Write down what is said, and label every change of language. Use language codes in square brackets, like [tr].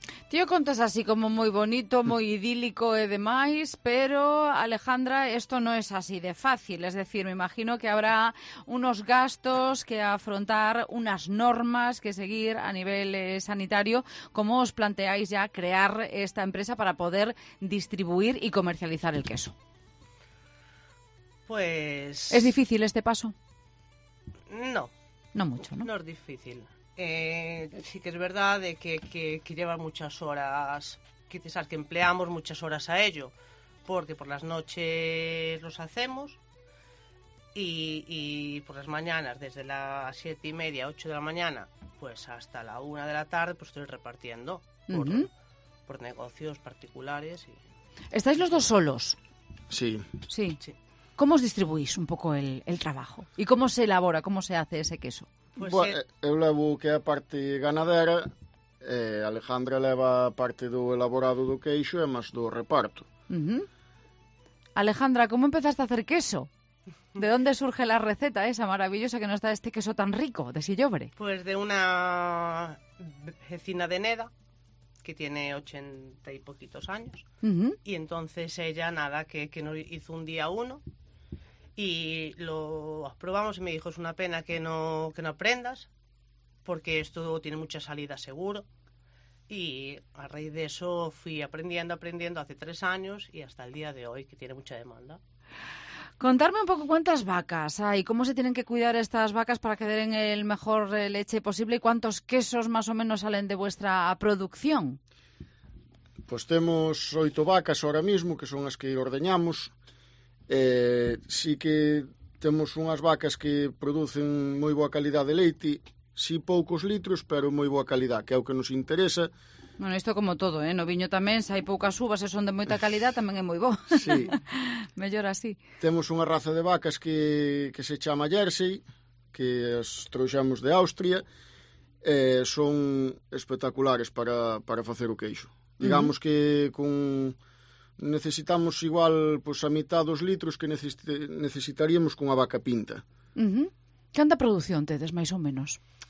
[gl] Tío, contas así como moi bonito, moi idílico e demais, pero, Alejandra, isto non é así de fácil. [es] Es decir, me imagino que habrá unos gastos que afrontar, unas normas que seguir a nivel sanitario. Como os planteáis ya crear esta empresa para poder distribuir e comercializar el queso? Pues... ¿Es difícil este paso? No. No mucho, ¿no? No es difícil. Sí que es verdad de que lleva muchas horas, quizás que empleamos muchas horas a ello, porque por las noches los hacemos y por las mañanas, desde las 7:30, 8 de la mañana, hasta la 1 de la tarde, estoy repartiendo por negocios particulares. Y... ¿Estáis los dos solos? Sí. Sí. Sí. ¿Cómo os distribuís un poco el trabajo? ¿Y cómo se elabora, cómo se hace ese queso? [gl] Eu levo que a parte ganadera, Alejandra leva a parte do elaborado do queixo e máis do reparto. Uh-huh. [es] Alejandra, como empezaste a hacer queso? ¿De dónde surge la receta esa maravillosa que nos da este queso tan rico, de Sillobre? Pues de una vecina de Neda, que tiene 80 y poquitos años. Uh-huh. Y entonces ella, que nos hizo un día uno y lo probamos y me dijo, es una pena que no aprendas, porque esto tiene mucha salida seguro. Y a raíz de eso fui aprendiendo hace 3 años y hasta el día de hoy, que tiene mucha demanda. Contarme un poco cuántas vacas hay, cómo se tienen que cuidar estas vacas para que den el mejor leche posible y cuántos quesos más o menos salen de vuestra producción. [gl] Pues temos 8 vacas [es] ahora mismo, [gl] que son as que ordeñamos. Sí que temos unhas vacas que producen moi boa calidad de leite, sí poucos litros, pero moi boa calidad, que é o que nos interesa, Bueno, isto como todo, ¿eh? No viño tamén, se hai poucas uvas, se son de moita calidad, tamén é moi bo. Sí. Mellor así. Temos unha raza de vacas que se chama Jersey, que as trouxamos de Austria, son espectaculares para facer o queixo. Digamos que con necesitamos igual pues, a mitad dos litros que necesitaríamos con a vaca pinta. Canta producción tedes, máis ou menos?